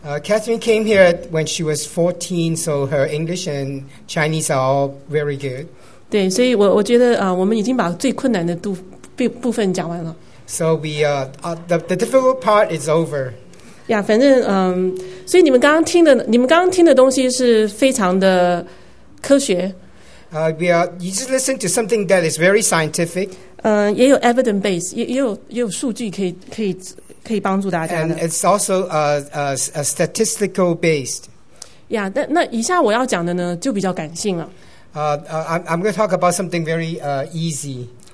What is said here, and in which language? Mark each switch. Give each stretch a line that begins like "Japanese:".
English: Catherine came here when she was 14, so her English and Chinese are all very good.
Chinese: 对，所以我觉得我们已经把最困难的部分讲完了。
English: So we the difficult part is over.
Chinese: Yeah, 反正所以你们刚刚听的东西是非常的科学。
English: You just listen to something that is very scientific.
Chinese: 也有 evidence base， 也有数据可以。可以帮助大家的。
English: And it's also a statistical based.
Chinese: Yeah, 那以下我要讲的呢，就比较感性了。
English: I'm going to talk about something very easy.